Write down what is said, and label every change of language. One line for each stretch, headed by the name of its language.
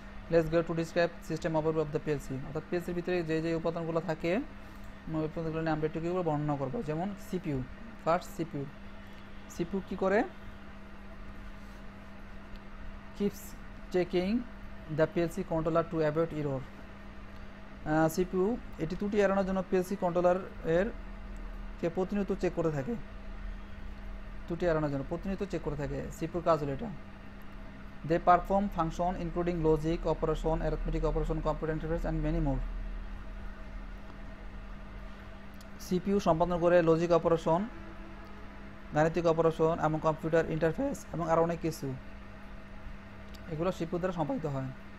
English: Let's go to describe system overview of the PLC.
Bangla: অর্থাৎ PLC এর ভিতরে যে যে উপাদানগুলো থাকে উপাদানগুলো নিয়ে আমরা একটু বর্ণনা করব। যেমন
English: CPU, first CPU.
Bangla: CPU কি করে?
English: Keeps checking the PLC controller to avoid error.
Bangla: CPU এটি ত্রুটি এড়ানোর জন্য PLC controller এর কে প্রতিনিয়ত চেক করে থাকে। ত্রুটি এড়ানোর জন্য প্রতিনিয়ত চেক করে থাকে CPU কাজ হলো এটা।
English: They perform function including logic operation, arithmetic operation, computer interface and many more.
Bangla: CPU সম্পাদন করে logic operation, গাণিতিক operation এবং computer interface এবং আরো অনেক কিছু। এগুলো CPU দ্বারা সম্পাদিত হয়।